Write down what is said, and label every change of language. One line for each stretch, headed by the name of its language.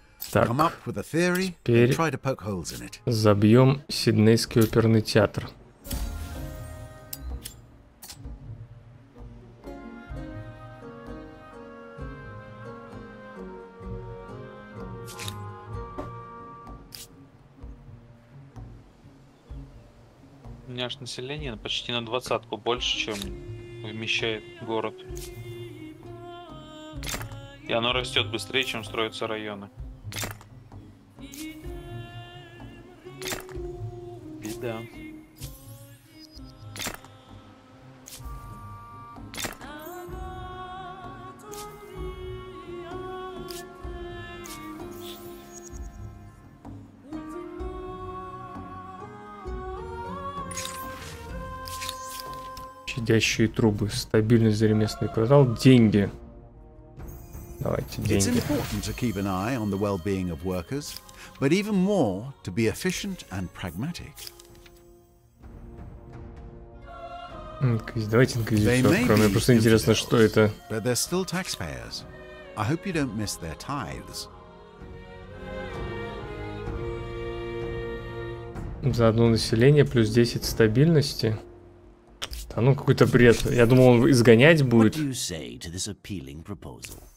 Russian: Так,
English: come up with a theory and try to poke holes in it.
Russian: Забьем Сиднейский оперный театр. У меня аж население почти на 20-ку больше, чем вмещает город. И оно растет быстрее, чем строятся районы. Беда. Сидящие трубы, стабильность, ремесленный квартал, деньги.
English: It's important to keep an eye on the well-being of workers, but even more to be efficient and pragmatic.
Russian: Давайте инквизитор, просто интересно, что это.
English: But they're still taxpayers. I hope you don't miss their tithes.
Russian: За одно население плюс 10 стабильности. Да ну какой-то бред. Я думал, он изгонять будет.
English: What do you say to this appealing proposal?